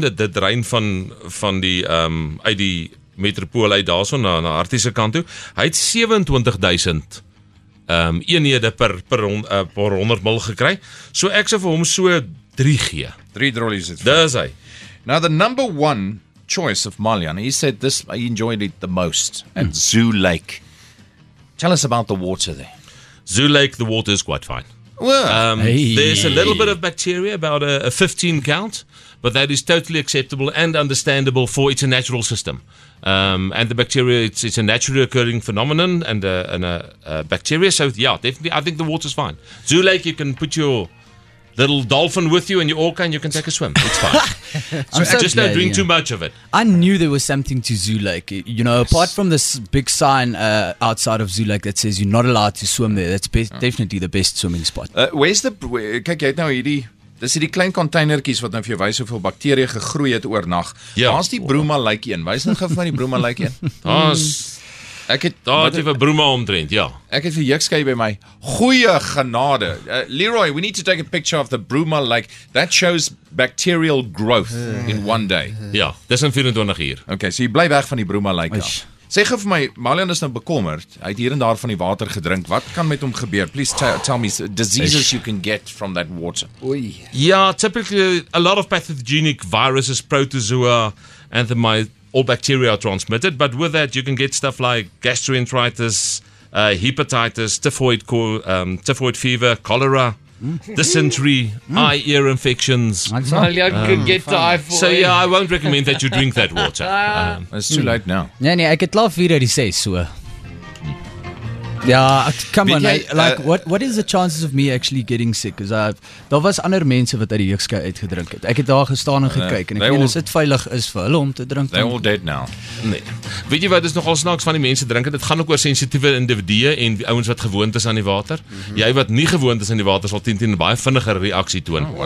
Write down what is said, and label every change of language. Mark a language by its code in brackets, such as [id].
[af] Dit drein van die uit die metropool uit daarso na Hartiese kant toe. Hy het 27,000 eenhede per 100 mil gekry. So ek sou vir hom so 3 gee. 3 drollies dit. Dis hy. [en] Now the number 1 choice of Malian. He said this I enjoyed it the most at Zoo Lake. Tell us about the water there. Zoo Lake, the water is quite fine. Well, There's a little bit of bacteria, about a 15 count, but that is totally acceptable and understandable for it's a natural system. And the bacteria, it's a naturally occurring phenomenon and a bacteria. So, yeah, definitely, I think the water's fine. Zoo Lake, you can put your little dolphin with you and your orca and you can take a swim. It's fine. Don't drink too much of it. I knew there was something to Zoo Lake. You know, apart from this big sign outside of Zoo Lake that says you're not allowed to swim there, that's definitely the best swimming spot. [af] Kyk, jy het nou hierdie... Dis hierdie klein containertjies wat nou vir jou wys hoeveel bakterie gegroei het oor nag. Waar's die Bruma Lake een? Wys net gou vir my die Bruma Lake een. Daar het jy vir Bruma omtrent, ja. Ek het vir Yuxke by my. Goeie genade. [en] Leroy, we need to take a picture of the Bruma Lake. That shows bacterial growth in one day. [af] Ja, dis in 24 uur. Okay, so jy bly weg van die Bruma Lake af. Sê gou vir my, Malian is nou bekommerd. Hy het hier en daar van die water gedrink. Wat kan met hom gebeur? [en] Please tell me, diseases you can get from that water. [af] Oei. [en] Ja, typically a lot of pathogenic viruses, protozoa, all bacteria are transmitted. But with that, you can get stuff like gastroenteritis, hepatitis, typhoid fever, cholera. Dysentery, eye ear infections. I won't recommend that you drink that water. It's too late now. [af] Nee, ek het al 4 uit die 6, so. Ja, [en] come on. What is the chances of me actually getting sick? [af] Because daar was ander mense wat uit die Yuxke uitgedrink het. Ek het daar gestaan en gekyk en ek weet as dit veilig is vir hulle om te drink. [en] They're all dead now. [af] Nee. Weet jy wat is nogal snaaks van die mense drink het? Dit gaan ook oor sensitiewe individue en die ouens wat gewoond is aan die water. Mm-hmm. Jy wat nie gewoond is aan die water sal teen baie vinniger reaksie toon.